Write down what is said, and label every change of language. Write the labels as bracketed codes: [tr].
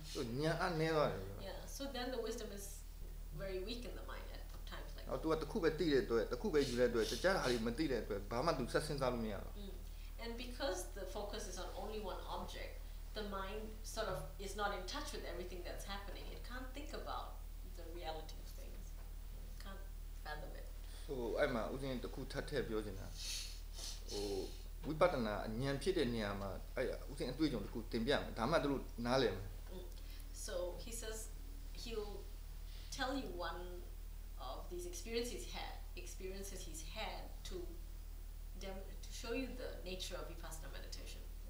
[en] so then the wisdom is very weak in the mind at times like that. [my] တခုပဲတိတဲ့အတွက်တခုပဲယူတဲ့အတွက်တခြားဟာတွေမတိတဲ့အတွက်ဘာမှသူစက်စဉ်းစားလို့မရတော့ [en] and because the focus is on only one object, the mind sort of is not in touch with everything that's happening. It can't think about the reality of things. Can't fathom it. [my] So, အဲ့မှာဥစဉ်တစ်ခုထပ်ထည့်ပြောချင်တာ။ဟိုဝိပဿနာဉာဏ်ဖြစ်တဲ့နေရာမှာအဲ့ဥစဉ်အတွေ့အကြုံတစ်ခုသင်ပြမှာဒါမှတို့နားလည်မှာ [en] ။ So, he says he'll tell you one of these experiences he's had to show you the nature of vipassana meditation.